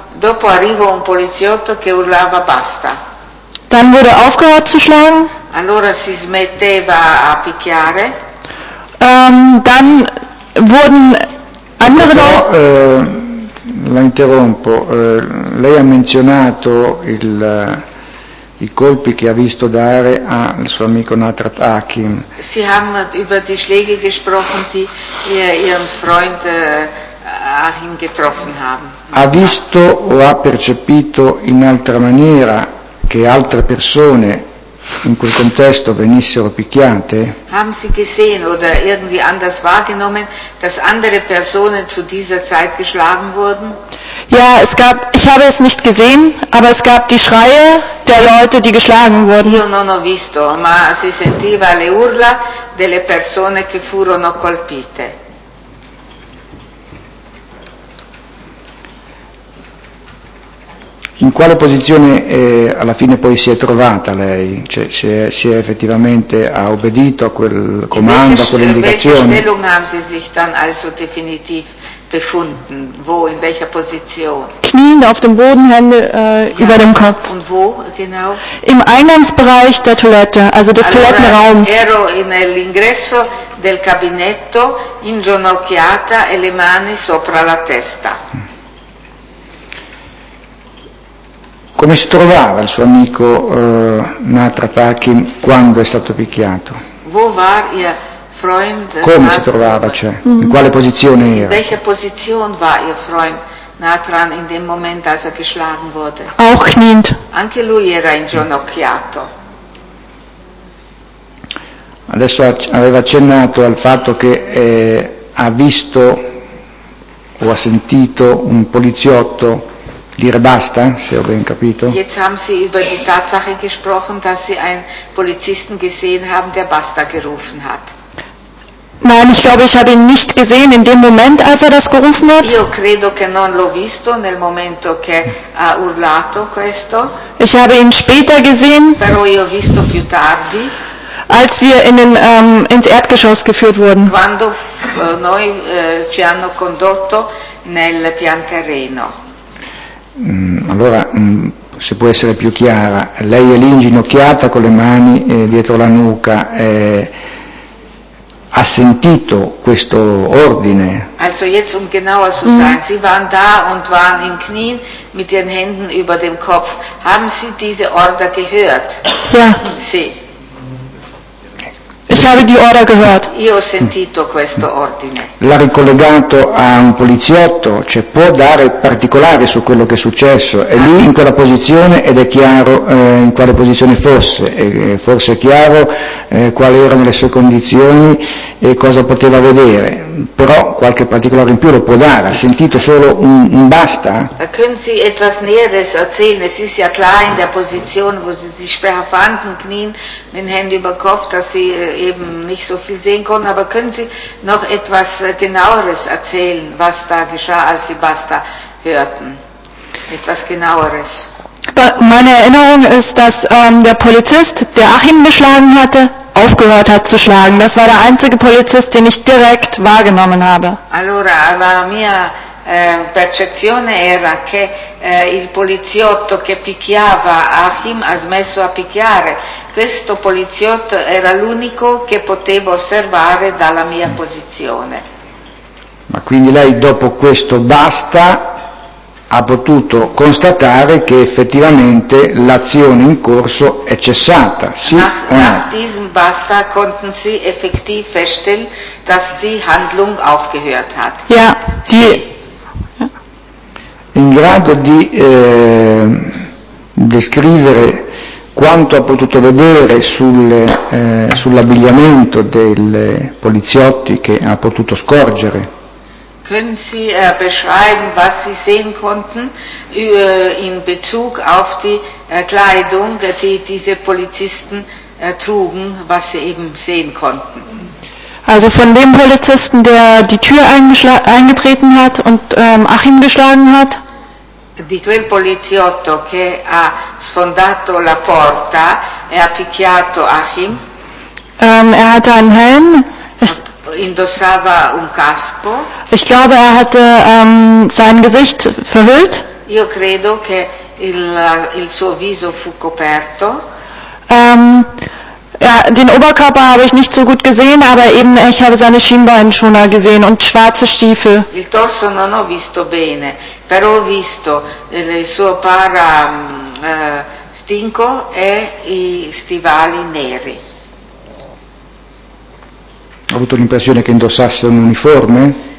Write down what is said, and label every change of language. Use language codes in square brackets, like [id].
[it] Dopo arrivò un poliziotto che urlava, basta. [de] Dann wurde aufgehört zu schlagen. [it] Allora si smetteva a picchiare. [de] Dann wurden andere Leute. [it] La interrompo. Lei ha menzionato i colpi che ha visto dare al suo amico Natrat Akin. [de] Sie haben über die Schläge gesprochen, die ihren Freund Akin getroffen haben. [it] Ha visto o ha percepito in altra maniera che altre persone in quel contesto venissero picchiate? [de] Haben Sie gesehen oder irgendwie anders wahrgenommen, dass andere Personen zu dieser Zeit geschlagen wurden? Ja, es gab, ich habe es nicht gesehen, aber es gab die Schreie der Leute, die geschlagen wurden. [it] Io non ho visto, ma si sentiva le urla delle persone che furono colpite. In quale posizione alla fine poi si è trovata lei? Cioè si è effettivamente ha obbedito a quel comando, a quell'indicazione? [de] In welche Stellung haben Sie sich dann also definitiv befunden? Wo, in welcher Position? Kniend auf dem Boden, Hände über dem Kopf. Und wo genau? Im Eingangsbereich der Toilette, also des Toilettenraums. [it] Ero nell'ingresso del cabinetto, inginocchiata e le mani sopra la testa. Come si trovava il suo amico Natrapakin quando è stato picchiato? [de] Wo war ihr Freund? [it] Come si trovava, cioè? In quale posizione era? [de] In welcher Position war ihr Freund Natran in dem Moment, als er geschlagen wurde? Auch kniend. [it] Anche lui era inginocchiato. Adesso aveva accennato al fatto che ha visto o ha sentito un poliziotto dire basta, se ho ben capito. [de] Jetzt haben Sie über die Tatsache gesprochen, dass Sie einen Polizisten gesehen haben, der basta gerufen hat. Nein, ich glaube, ich habe ihn nicht gesehen in dem Moment, als er das gerufen hat. [it] Io credo che non l'ho visto nel momento che ha urlato questo. [de] Ich habe ihn später gesehen. [it] Però io ho visto più tardi. [de] Als wir in den, ins Erdgeschoss geführt wurden. [it] Quando noi ci hanno condotto nel pian terreno. Allora, se può essere più chiara, lei è lì inginocchiata con le mani dietro la nuca, ha sentito questo ordine? [de] Also jetzt um genauer zu sein, Sie waren da und waren in Knien mit ihren Händen über dem Kopf. Haben Sie diese Order gehört? Ja. [it] Sì. [de] Ich habe die Order gehört. [it] Io ho sentito questo ordine. L'ha ricollegato a un poliziotto, cioè può dare particolari su quello che è successo. È lì in quella posizione ed è chiaro in quale posizione fosse. E forse è chiaro quali erano le sue condizioni e cosa poteva vedere. Però qualche particolare in più lo può dare. Ha sentito solo un basta? [de] Können Sie etwas Näheres erzählen? Es ist ja klar in der Position, wo Sie sich befanden, knien mit Händen über Kopf, dass Sie eben nicht so viel sehen konnten. Aber können Sie noch etwas Genaueres erzählen, was da geschah, als Sie basta hörten? Etwas Genaueres. Meine Erinnerung ist, dass der Polizist, der Achim geschlagen hatte, aufgehört hat zu schlagen. Das war der einzige Polizist, den ich direkt wahrgenommen habe. [it] Allora, la mia percezione era che il poliziotto che picchiava Achim ha smesso a picchiare. Questo poliziotto era l'unico che potevo osservare dalla mia posizione. Ma quindi lei dopo questo basta ha potuto constatare che effettivamente l'azione in corso è cessata. Sì, [de] nach diesem basta konnten Sie effektiv feststellen, dass die Handlung aufgehört hat. Ja, [it] sì. In grado di descrivere quanto ha potuto vedere sull'abbigliamento dei poliziotti che ha potuto scorgere? [de] Können Sie beschreiben, was Sie sehen konnten in Bezug auf die Kleidung, die diese Polizisten trugen, was Sie eben sehen konnten? Also von dem Polizisten, der die Tür eingetreten hat und Achim geschlagen hat? [it] Di quel poliziotto che ha sfondato la porta e ha picchiato Achim? [de] Er hatte einen Helm. [it] Indossava un casco. [de] Ich glaube, er hatte sein Gesicht verhüllt. [it] Io credo che il suo viso fu coperto. [de] Ja, den Oberkörper habe ich nicht so gut gesehen, aber eben ich habe seine Schienbeinschoner gesehen und schwarze Stiefel. [it] Il torso non ho visto bene, però ho visto il suo para stinco e i stivali neri. Ho avuto l'impressione che indossasse un uniforme?